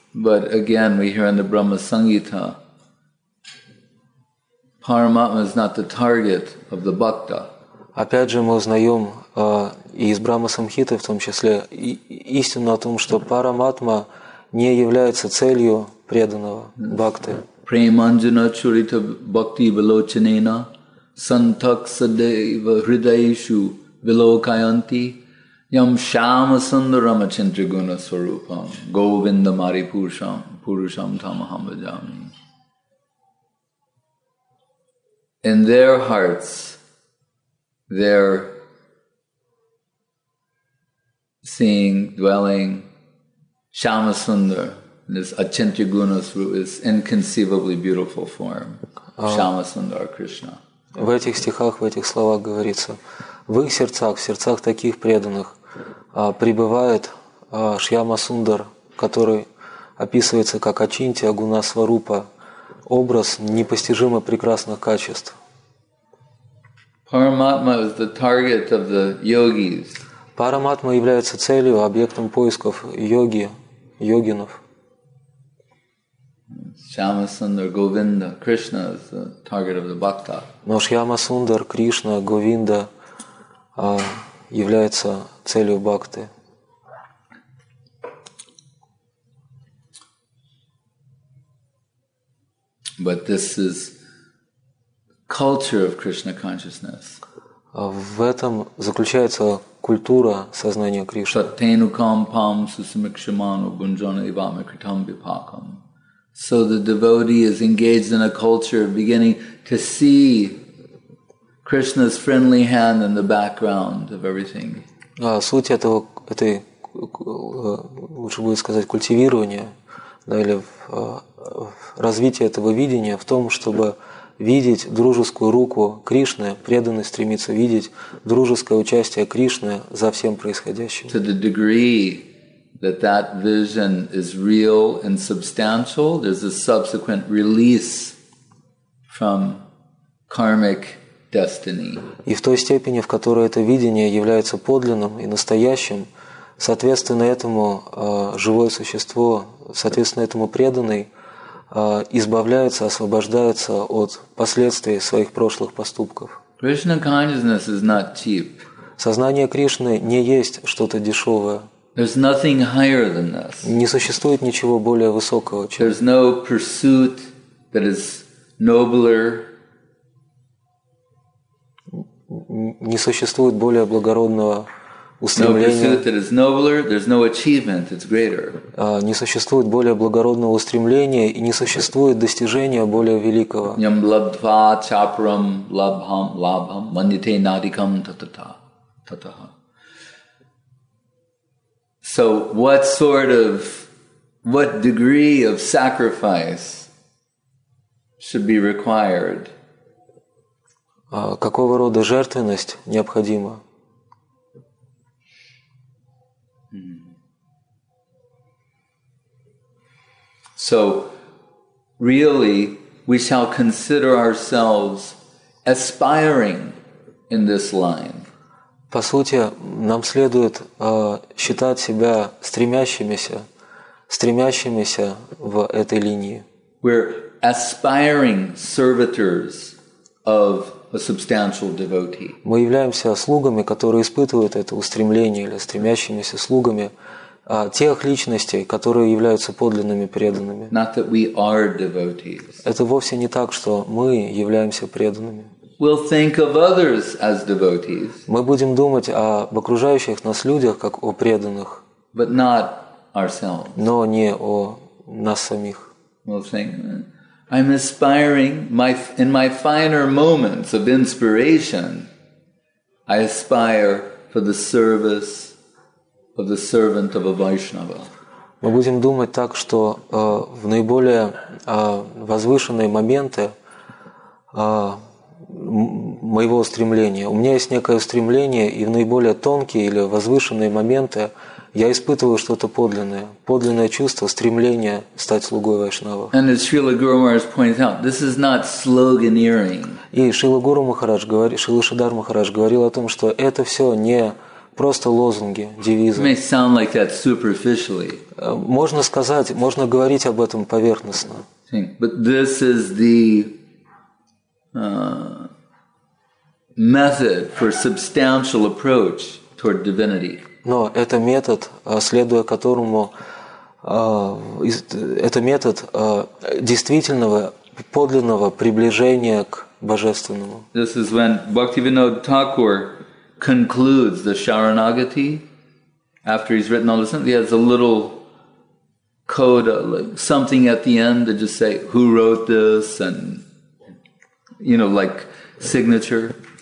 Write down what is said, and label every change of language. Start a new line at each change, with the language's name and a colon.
English: But again, we hear in the Brahma Sangita, Paramatma is not the target of the bhakta.
Russian: Опять же, мы узнаем и из Брахма Самхиты, в том числе, истину о том, что Параматма не является целью преданного бхакты.
Sanskrit: Преманджана чурита бхакти вилочанена сантаксадева хридаишу вилокаянти ям шама сандарама чинтригуна сварупам говинда мари пуршам пурушам тамахам ваджами.
English: In their hearts, their seeing, dwelling, Shama Sundar, this Achintya Guna Swaroop, this inconceivably beautiful form, Shama Sundar Krishna.
Russian: В этих стихах, в этих словах говорится, в их сердцах, в сердцах таких преданных, пребывает Шьяма Сундар, который описывается как Ачинтия Гуна Сварупа, образ непостижимо прекрасных качеств.
English: Paramatma is the target of the yogis.
Russian: Параматма является целью, объектом поисков йоги, йогинов.
English: Shyama Sundar Govinda, Krishna is the target of the bhakta.
Russian: Но Шьяма Сундар, Кришна, Говинда является целью бхакты.
English: But this is culture of Krishna consciousness.
Russian: В этом заключается культура сознания Кришны.
Sanskrit: Саттену кампам сусимикшиману гунжана ивами критам випакам.
English: So the devotee is engaged in a culture of beginning to see Krishna's friendly hand in the background of everything.
Russian: Суть этого, этой, лучше будет сказать, культивирования, да, или развития этого видения в том, чтобы видеть дружескую руку Кришны, преданный стремится видеть дружеское участие Кришны за всем происходящим.
English: To the degree that that vision is real and substantial, there's a subsequent release from karmic destiny.
Russian: И в той степени, в которой это видение является подлинным и настоящим, соответственно этому живое существо, соответственно этому преданный избавляется, освобождается от последствий своих прошлых поступков.
English: Krishna consciousness is not cheap.
Russian: Сознание Кришны не есть что-то дешевое.
English: There's nothing higher than this.
Russian: Не существует ничего более высокого, чем.
English: There's no pursuit that is nobler.
Russian: Не существует более благородного устремления.
English: No pursuit that is nobler, there's no achievement that's greater.
Russian: Не существует более благородного устремления и не существует достижения более великого.
Sanskrit: Ям лабдва чапрам лабхам лабхам манните надикам татата татаха.
English: So what sort of, what degree of sacrifice should be required?
Russian: Какого рода жертвенность необходима?
English: So, really, we shall consider ourselves aspiring in this line.
Russian: По сути, нам следует считать себя стремящимися в этой линии.
English: We're aspiring servitors of a substantial devotee.
Russian: Мы являемся слугами, которые испытывают это устремление, или стремящимися слугами тех личностей, которые являются подлинными преданными.
English: Not that we are devotees.
Russian: Это вовсе не так, что мы являемся преданными.
English: We'll think of others as devotees.
Russian: Мы будем думать об окружающих нас людях как о преданных.
English: But not ourselves.
Russian: Но не о нас самих.
English: We'll think, I'm aspiring in my finer moments of inspiration. I aspire for the service of the servant of a Vaishnava.
Russian: Мы будем думать так, что в наиболее возвышенные моменты моего стремления. У меня есть некое стремление, и в наиболее тонкие или возвышенные моменты я испытываю что-то подлинное, подлинное чувство, стремление стать слугой вайшнава.
English: And as Srila Guru Maharaj points out, this is not sloganeering.
Russian: И Шрила Гуру Махарадж говорит, Шрила Шридхар Махарадж говорил о том, что это все не просто лозунги, девизы.
English: It may sound like that superficially.
Russian: Можно сказать, можно говорить об этом поверхностно.
English: But this is the method for substantial approach toward divinity.
Russian: Но это метод, следуя которому, это метод действительного, подлинного приближения к божественному.
English: This is when Bhaktivinoda Thakur concludes the Sharanagati after he's written all this. He has a little coda, like something at the end to just say who wrote this and you know, like signature.